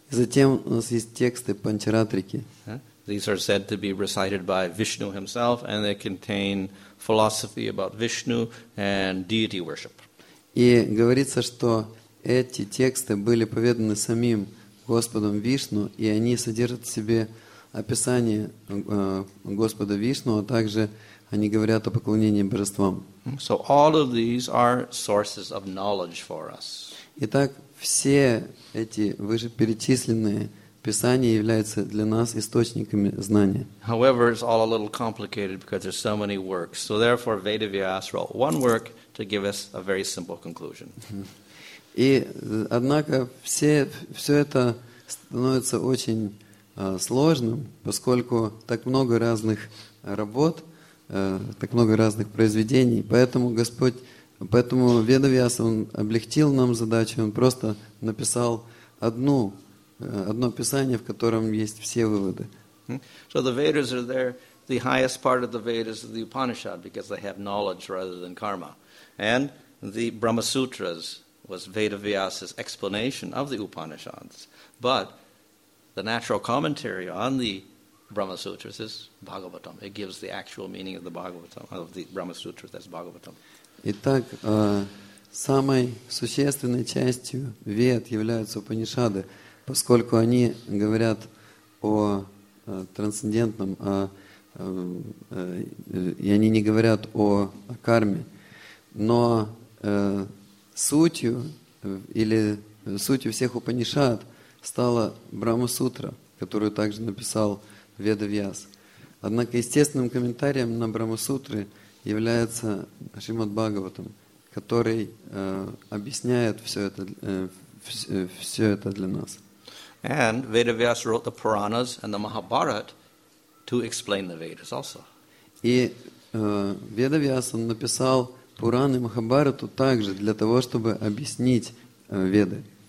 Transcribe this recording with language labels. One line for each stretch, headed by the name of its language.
Russian: Затем у нас есть тексты Панчаратрики.
English: These are said to be recited by Vishnu himself, and they contain philosophy about Vishnu and deity worship.
Russian: И говорится, что эти тексты были поведаны самим Господом Вишну, и они содержат в себе описание Господа Вишну, а также они говорят о поклонении божествам.
English: So all of these are sources of knowledge for us.
Russian: Итак, все эти вышеперечисленные Писания являются для нас источниками знания.
English: However, it's all a little complicated because there's so many works. So therefore, Vedavyasa wrote one work to give us a very simple conclusion.
Russian: И, однако, все это становится очень сложным, поскольку так много разных работ, так много разных произведений. Поэтому Ведавьяса, он облегчил нам задачу, он просто написал одно писание, в котором есть все выводы.
English: So the Vedas are there, the highest part of the Vedas is the Upanishad, because they have knowledge rather than karma. And the Brahma Sutras was Vedavyasa's explanation of the Upanishads. But the natural commentary on the Brahma Sutras is Bhagavatam. It gives the actual meaning of the Bhagavatam, of the Brahma Sutras, that's Bhagavatam.
Russian: Итак, самой существенной частью Вед являются Упанишады, поскольку они говорят о трансцендентном, и они не говорят о карме. Но сутью всех Упанишад стала Брахма-сутра, которую также написал Ведавьяс. Однако естественным комментарием на Брахма-сутры является Шримад-Бхагаватам, который объясняет все это для нас.
English: And Vedavyasa wrote the Puranas and the Mahabharata to explain the Vedas also.
Russian: И Ведавьяса написал Пураны и Махабхарату также для того, чтобы объяснить Веды.